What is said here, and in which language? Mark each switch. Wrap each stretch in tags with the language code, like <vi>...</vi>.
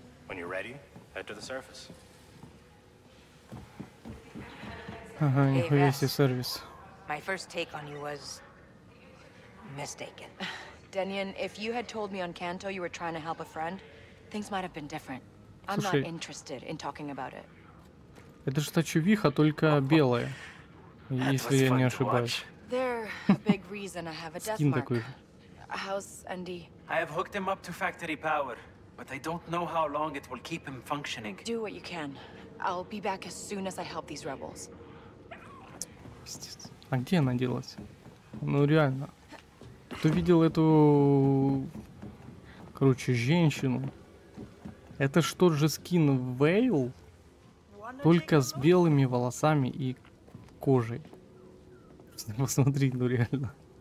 <en>When you're ready, head to the surface.</en> <ru>Ага, нихуя себе сервис.</ru> <en>My first take on you was... mistaken. Denian, if you had told me on Kanto you were trying to help a friend, things might have been different. I'm not interested in talking about it.</en> <ru>Это же та чувиха, только белая. Если я не ошибаюсь.</ru> <en>They're a big reason I have a death mark. How's Andy? I have hooked him up to factory power, but I don't know how long it will keep him functioning. Do what you can. I'll be back as soon as I help these rebels.</en> <ru>А где она делась? Ну реально. Кто видел эту, короче, женщину? Это ж тот же скин Вейл, только с белыми волосами и кожей. Посмотри, ну реально.</ru>